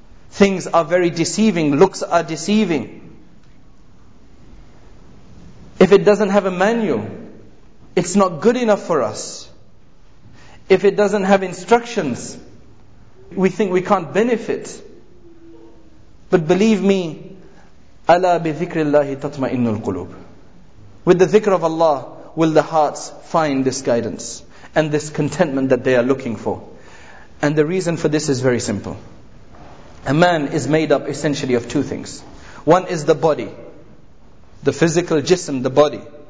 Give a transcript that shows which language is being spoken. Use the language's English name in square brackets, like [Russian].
[English] Things are very deceiving, looks are deceiving. If it doesn't have a manual, it's not good enough for us. If it doesn't have instructions, we think we can't benefit. But believe me, [Arabic] أَلَا بِذِكْرِ اللَّهِ تَطْمَئِنُّ الْقُلُوبِ. [English] With the dhikr of Allah, will the hearts find this guidance and this contentment that they are looking for. And the reason for this is very simple. A man is made up essentially of two things. One is the body, the physical jism, the body.